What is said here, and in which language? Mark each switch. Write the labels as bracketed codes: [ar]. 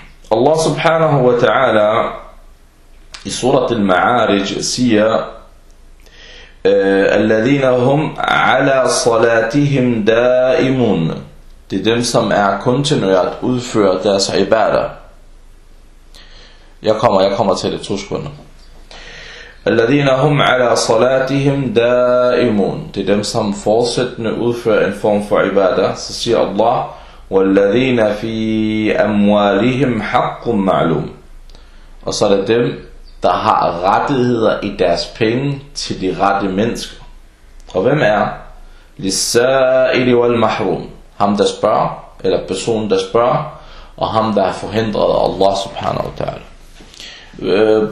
[da] Allah subhanahu wa ta'ala i surat al-Ma'arij siger, [ar] alladhina hum ala salatihim da'imun. [da] Det er dem, som er kontinueret udfører deres ibadah. Jeg kommer til det, 2 sekunder. [ar] Alladhina hum ala salatihim da'imun. [da] Det er dem, som fortsættende udfører en form for ibadah. Så siger Allah, [ar] والذين في أموالهم حق معلوم. [da] Og så er det dem, der har rettigheder i deres penge til de rette mennesker. Og hvem er [ar] للسائل والمحروم? [da] Ham der spørger, eller personen der spørger, og ham der har forhindret Allah subhanahu wa ta'ala.